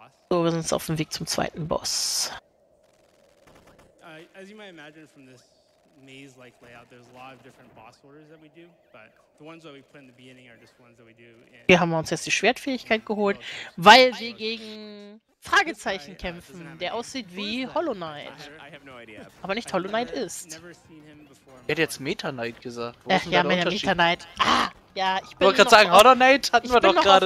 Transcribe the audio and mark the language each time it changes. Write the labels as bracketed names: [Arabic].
[German] So, wir sind jetzt auf dem Weg zum zweiten Boss. [English] As you might imagine from this maze-like layout, there's a lot of different boss orders that we do, but the ones that we put in the beginning are just ones that we do in... [German] Hier haben wir uns jetzt die Schwertfähigkeit geholt, weil wir gegen Fragezeichen kämpfen, der aussieht wie Hollow Knight. Aber nicht Hollow Knight ist. Er hat jetzt Meta Knight gesagt. Meta Knight. Ja, ich wollte gerade sagen, Hollow Knight hatten wir doch gerade.